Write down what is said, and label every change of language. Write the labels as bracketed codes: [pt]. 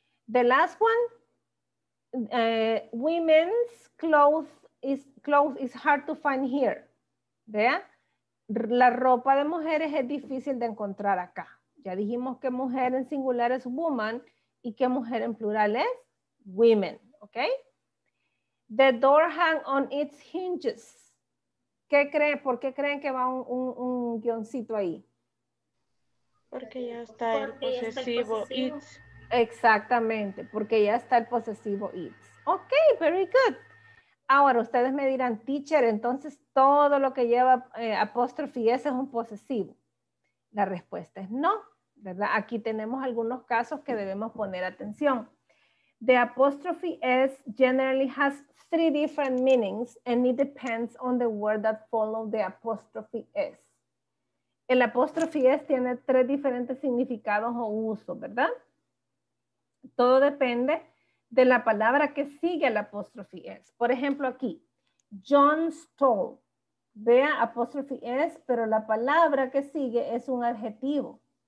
[en] The last one, women's clothes is hard to find here. [es] ¿Vea? La ropa de mujeres es difícil de encontrar acá. Ya dijimos que mujer en singular es woman y que mujer en plural es women. ¿Ok? [en] The door hang on its hinges. [es] ¿Qué creen? ¿Por qué creen que va un guioncito ahí? Porque ya está el posesivo its. Exactamente, porque ya está el posesivo its. [en] Ok, very good. [es] Ahora ustedes me dirán, teacher, entonces todo lo que lleva apóstrofe s es un posesivo. La respuesta es no, ¿verdad? Aquí tenemos algunos casos que debemos poner atención. [en] The apostrophe s generally has three different meanings and it depends on the word that follows the apostrophe s. [es] El apóstrofe S tiene tres diferentes significados o usos, ¿verdad? Todo depende de la palabra que sigue el apóstrofe S. Por ejemplo, aquí, [en] John stole. [es] Vea apóstrofe S, pero la palabra que sigue es un adjetivo.